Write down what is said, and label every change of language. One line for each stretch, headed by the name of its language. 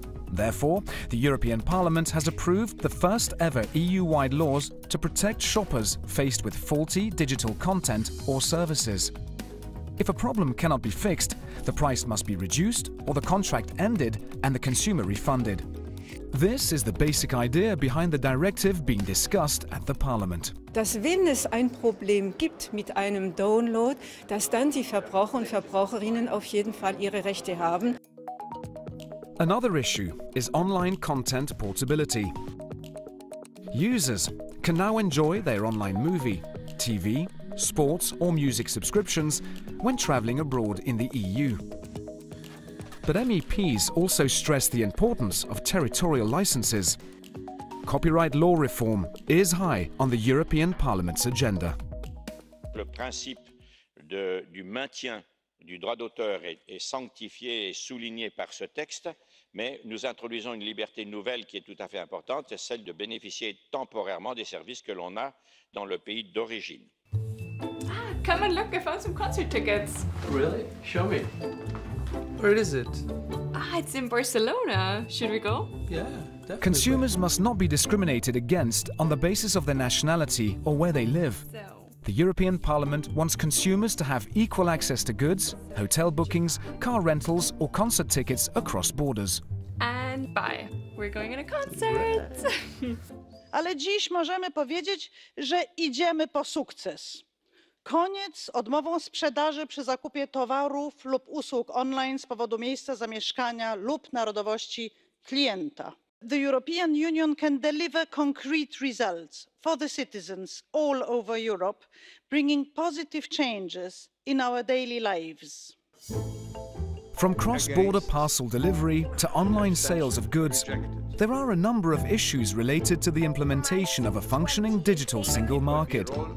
English: Therefore, the European Parliament has approved the first ever EU-wide laws to protect shoppers faced with faulty digital content or services. If a problem cannot be fixed, the price must be reduced or the contract ended and the consumer refunded. This is the basic idea behind the directive being discussed at the Parliament.
German: Dass wenn es ein Problem gibt mit einem Download, dass dann die Verbraucher und Verbraucherinnen auf jeden Fall ihre Rechte haben.
English: Another issue is online content portability. Users can now enjoy their online movie, TV, sports or music subscriptions when traveling abroad in the EU. But MEPs also stress the importance of territorial licenses. Copyright law reform is high on the European Parliament's agenda.
French: Le principe du maintien du droit d'auteur est sanctifié et souligné par ce texte, mais nous introduisons une liberté nouvelle qui est tout à fait importante, c'est celle de bénéficier temporairement des services que l'on a dans le pays d'origine.
English: Ah, come and look, I found some concert tickets. Really? Show me. Where is it? Ah, it's in Barcelona. Should we go? Yeah, definitely. Consumers must not be discriminated against on the basis of their nationality or where they live. The European Parliament wants consumers to have equal access to goods, hotel bookings, car rentals or concert tickets across borders. And bye. We're going on a concert.
Polish: Ale dziś możemy powiedzieć, że idziemy po sukces. Koniec z odmową sprzedaży przy zakupie towarów lub usług online z powodu miejsca zamieszkania lub narodowości klienta.
English: The European Union can deliver concrete results for the citizens all over Europe, bringing positive changes in our daily lives. From cross-border parcel delivery to online sales of goods, there are a number of issues related to the implementation of a functioning digital single market.